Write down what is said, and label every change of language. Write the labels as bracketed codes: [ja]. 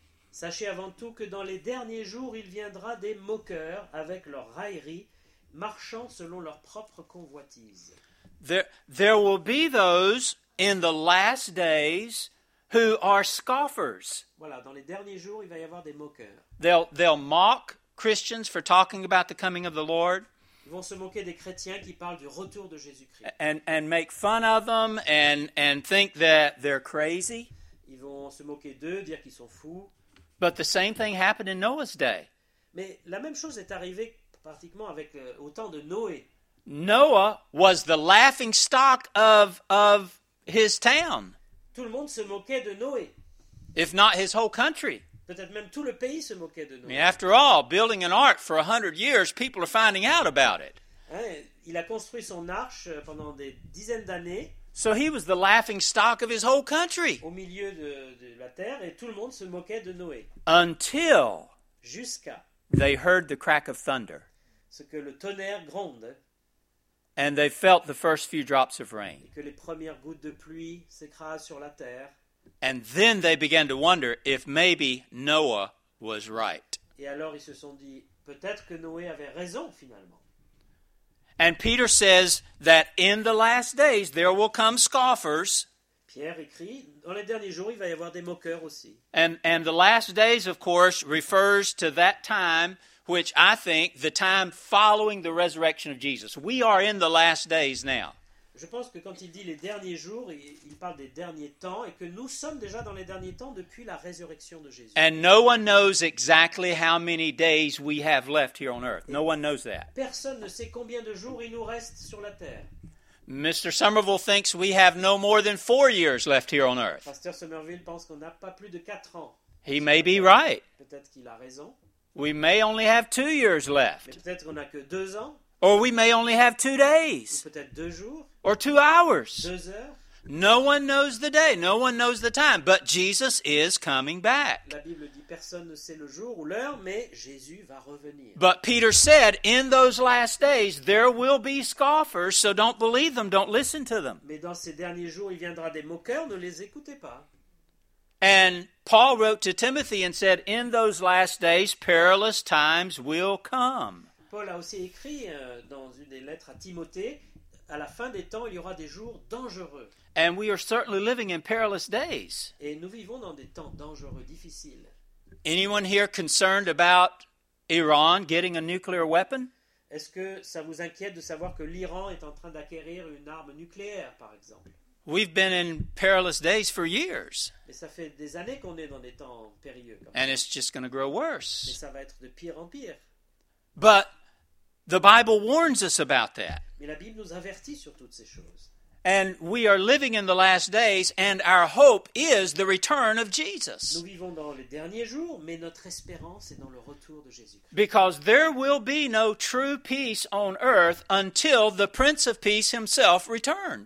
[fr] Sachez avant tout que dans les derniers jours, il viendra des moqueurs avec leur raillerie, marchant selon leur propre convoitise. [en] There will be those in the last days who are scoffers. [fr] Voilà, dans les derniers jours, il va y avoir des moqueurs. [en] They'll mock Christians for talking about the coming of the Lord. [fr] Ils vont se moquer des chrétiens qui parlent du retour de Jésus-Christ. [en] And make fun of them and think that they're crazy. [fr] Ils vont se moquer d'eux, dire qu'ils sont fous. [en] But the same thing happened in Noah's day. [fr] Mais la même chose est arrivée pratiquement avec au temps de Noé. [en] Noah was the laughing stock of his town. [fr] Tout le monde se moquait de Noé. [en] If not his whole country. [fr] Peut-être même tout le pays se moquait de Noé. [en] I mean, after all, building an ark for 100 years, people are finding out about it. [fr] Hein, il a construit son arche pendant des dizaines d'années. [en] So he was the laughing stock of his whole country. [fr] Au milieu de la terre, et tout le monde se moquait de Noé. [en] Until [fr] jusqu'à [en] they heard the crack of thunder. [fr] Ce que le tonnerre gronde. [en] And they felt the first few drops of rain. [fr] Et que les premières gouttes de pluie s'écrasent sur la terre. [en] And then they began to wonder if maybe Noah was right. [fr] Et alors ils se sont dit, peut-être que Noé avait raison finalement. [en] And Peter says that in the last days there will come scoffers. [fr] Pierre écrit, dans les derniers jours, il va y avoir des moqueurs aussi. [en] And the last days, of course, refers to that time, which I think the time following the resurrection of Jesus. We are in the last days now. [fr] Je pense que quand il dit les derniers jours, il parle des derniers temps et que nous sommes déjà dans les derniers temps depuis la résurrection de Jésus. [en] And no one knows exactly how many days we have left here on earth. No one knows that. [fr] Personne ne sait combien de jours il nous reste sur la terre. [en] Mr. Somerville thinks we have no more than 4 years left here on earth. [fr] Pasteur Somerville pense qu'on n'a pas plus de 4 ans. [en] He may be right. [fr] Peut-être qu'il a raison. [en] We may only have 2 years left. [fr] Mais peut-être qu'on a que 2 ans. [en] Or we may only have 2 days. [fr] Ou peut-être 2 jours. [en] Or 2 hours. [fr] 2 heures. [en] No one knows the day. No one knows the time. But Jesus is coming back. [fr] La Bible dit personne ne sait le jour ou l'heure, mais Jésus va revenir. [en] But Peter said, in those last days, there will be scoffers, so don't believe them, don't listen to them. [fr] Mais dans ces derniers jours, il viendra des moqueurs, ne les écoutez pas. [en] And Paul wrote to Timothy and said, in those last days, perilous times will come. [fr] Paul a aussi écrit dans une des lettres à Timothée, à la fin des temps, il y aura des jours dangereux. [en] And we are certainly living in perilous days. [fr] Et nous vivons dans des temps dangereux, difficiles. [en] Anyone here concerned about Iran getting a nuclear weapon? [fr] Est-ce que ça vous inquiète de savoir que l'Iran est en train d'acquérir une arme nucléaire, par exemple? [en] We've been in perilous days for years. [fr] Et ça fait des années qu'on est dans des temps périlleux. [en] And it's just going to grow worse. [fr] Et ça va être de pire en pire. [en] But the Bible warns us about that. [fr] Mais la Bible nous avertit sur toutes ces choses. [en] And we are living in the last days, and our hope is the return of Jesus. [fr] Nous vivons dans les derniers jours, mais notre espérance est dans le retour de Jésus-Christ. [en] Because there will be no true peace on earth until the Prince of Peace himself returns.